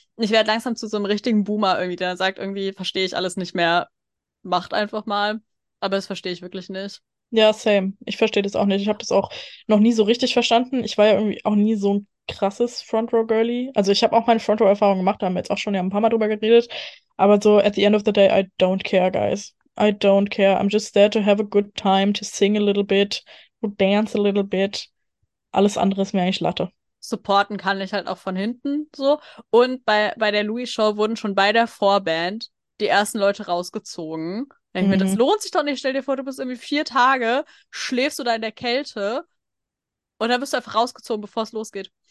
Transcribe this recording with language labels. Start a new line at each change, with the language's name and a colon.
German: Ich werde langsam zu so einem richtigen Boomer irgendwie, der sagt irgendwie, verstehe ich alles nicht mehr. Macht einfach mal. Aber das verstehe ich wirklich nicht. Ja, same. Ich verstehe das auch nicht. Ich habe das auch noch nie so richtig verstanden. Ich war ja irgendwie auch nie so ein krasses Front-Row-Girlie. Also ich habe auch meine Front-Row-Erfahrung gemacht, da haben wir jetzt auch schon ja ein paar Mal drüber geredet. Aber so,
English: at the end of the day, I don't care, guys. I don't care. I'm just there to have a good time, to sing a little bit, to dance a little bit.
German: Alles andere ist mir eigentlich Latte. Supporten kann ich halt auch von hinten so. Und bei der Louis-Show wurden schon bei der Vorband die ersten Leute rausgezogen. Da denke ich mir, das lohnt sich doch nicht. Stell dir vor, du bist irgendwie 4 Tage, schläfst du da in der Kälte und dann bist du einfach rausgezogen, bevor es losgeht.